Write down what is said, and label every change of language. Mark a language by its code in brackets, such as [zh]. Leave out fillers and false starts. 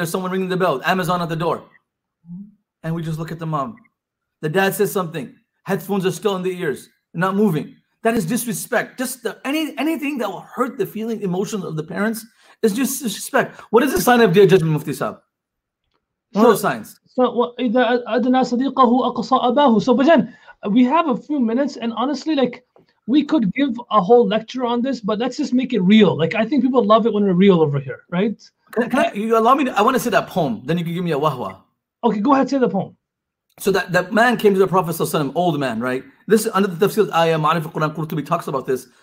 [en] There's someone ringing the bell, Amazon at the door. And we just look at the mom. The dad says something, headphones are still in the ears, not moving. That is disrespect. Just anything that will hurt the feeling, emotions of the parents, it's just disrespect. What is the sign of Dear Judgment, Mufti Sahab? What are the signs? [ar] So, إِذَا أَدْنَا صَدِيقَهُ أَقْصَى أَبَاهُ. [en] So, Bajan, we have a few minutes, and honestly, like, we could give a whole lecture on this, but let's just make it real. Like, I think people love it when we're real over here, right? Can you allow me to, I want to say that poem, then you can give me a wahwa. Okay, go ahead, say the poem. So, that man came to the Prophet, old man, right? This is under the tafsir of ayah, Ma'arif al-Quran, Qurtubi talks about this.